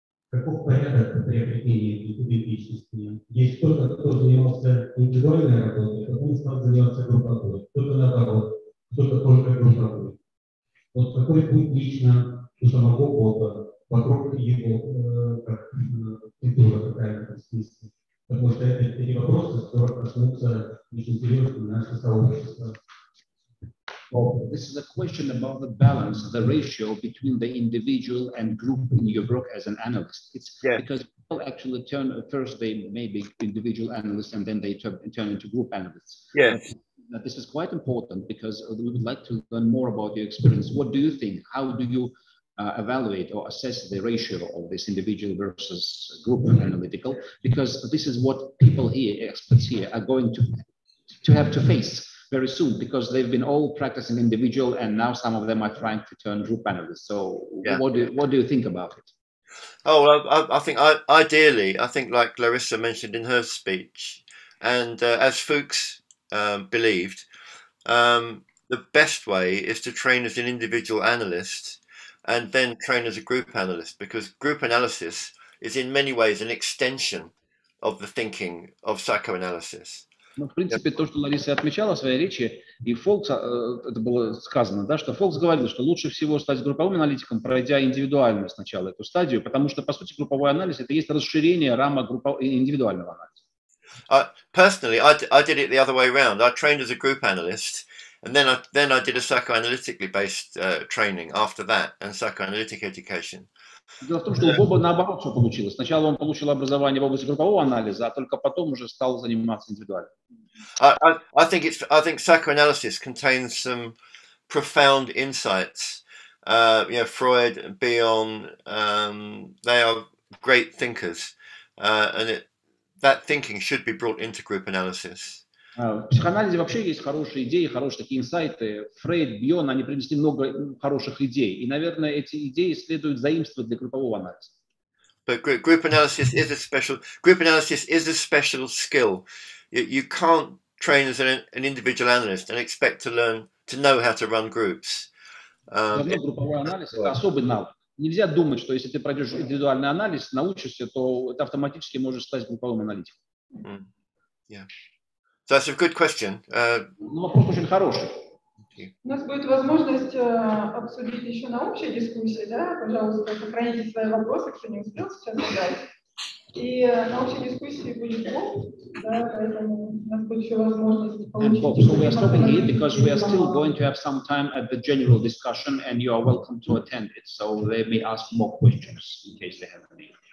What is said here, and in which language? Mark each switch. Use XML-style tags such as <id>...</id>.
<ru>Каков порядок приобретения идентичности? Есть кто-то, кто занимался индивидуальной работой, потом стал заниматься групповой, кто-то наоборот, кто-то только групповой. Вот какой путь лично у самого Бога, вокруг его культура какая-то в смысле? Потому что это не вопрос, который коснулся очень серьезно наше сообщество.</ru> <en>This is a question about the balance, the ratio between the individual and group in your work as an analyst. It's because people actually turn, first they may be individual analysts and then they turn into group analysts. Yes. This is quite important because we would like to learn more about your experience. What do you think? How do you evaluate or assess the ratio of this individual versus group analytical? Because this is what people here, experts here, are going to have to face very soon, because they've been all practicing individual and now some of them are trying to turn group analysts. So what do you think about it? Oh, well, I think like Larissa mentioned in her speech, and as Fuchs believed, the best way is to train as an individual analyst and then train as a group analyst, because group analysis is in many ways an extension of the thinking of psychoanalysis.</en> <ru>Ну, в принципе, то, что Лариса отмечала в своей речи, и Фолкс, это было сказано, да, что Фолкс говорил, что лучше всего стать групповым аналитиком, пройдя индивидуально сначала эту стадию, потому что, по сути, групповой анализ – это есть расширение рамок индивидуального анализа.</ru> <en>Personally, I did it the other way around. I trained as a group analyst, and then I did a psychoanalytically based training after that, and psychoanalytic education.</en> <ru>Дело в том, что у Боба наоборот все получилось. Сначала он получил образование в области группового анализа, а только потом уже стал заниматься индивидуально.</ru> <en>I think psychoanalysis contains some profound insights. You know, Freud, Bion, they are great thinkers, and that thinking should be brought into group analysis.</en> <ru>В психоанализе вообще есть хорошие идеи, хорошие такие инсайты. Фрейд, Бьон, они принесли много хороших идей. И, наверное, эти идеи следует заимствовать для группового анализа.</ru> <en>But group analysis is a special skill. You can't train as an individual analyst and expect to learn to know how to run groups.</en> <ru>Групповой анализ — это особый навык. Нельзя думать, что если ты пройдешь индивидуальный анализ, научишься, то ты автоматически можешь стать групповым аналитиком.</ru> <en>So that's a good question.</en> <ru>Ну, вопрос очень хороший. У нас будет возможность обсудить еще на общей дискуссии, да? Пожалуйста, сохраните свои вопросы, кто не успел сейчас задать. И на общей дискуссии будет Боб, да, поэтому у нас будет еще возможность получить.</ru> <en>And Bob, so we are stopping here because we are still going to have some time at the general discussion, and you are welcome to attend it. So they may ask more questions in case they have any.</en>